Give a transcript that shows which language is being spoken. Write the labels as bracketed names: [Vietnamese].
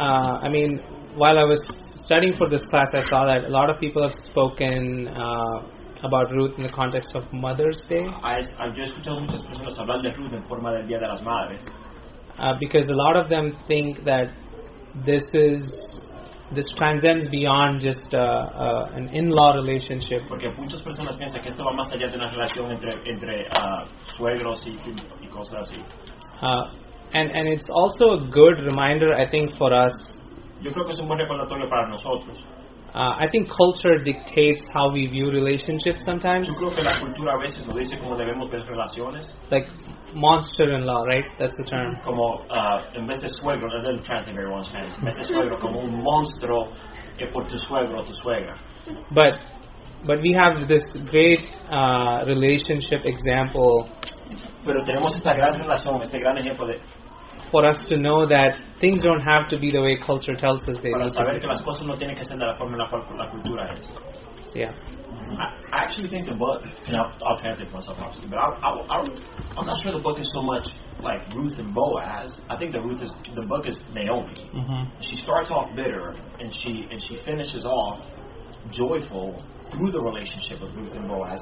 [English] While I was studying for this class, I saw that a lot of people have spoken about Ruth in the context of Mother's Day. [Spanish] Yo he escuchado muchas personas hablar de Ruth en forma del Día de las Madres. [English] Because a lot of them think that this transcends beyond just an in-law relationship. [Spanish] Porque muchas personas piensan que esto va más allá de una relación entre suegros y cosas así. [English] And it's also a good reminder, I think, for us. [Spanish] Yo creo que es un buen recordatorio para nosotros. [English] I think culture dictates how we view relationships sometimes. [Spanish] Yo creo que la cultura a veces nos dice cómo debemos ver relaciones. [English] Like monster in law, right? That's the term. [Spanish] Como en vez de suegro, [English] that doesn't translate very well in Spanish. [Spanish] En vez de suegro, como un monstruo que por tu suegro o tu suegra. [English] But we have this great relationship example. [Spanish] Pero tenemos esta gran relación, este gran ejemplo de. [English] For us to know that things don't have to be the way culture tells us they need to be. [Spanish] Que las cosas no tienen que ser de la forma en la cual la cultura es. [English] Yeah. I actually think the book, and I'll translate myself obviously, but I'm not sure the book is so much like Ruth and Boaz. I think the book is Naomi. Mm-hmm. She starts off bitter, and she finishes off joyful through the relationship with Ruth and Boaz.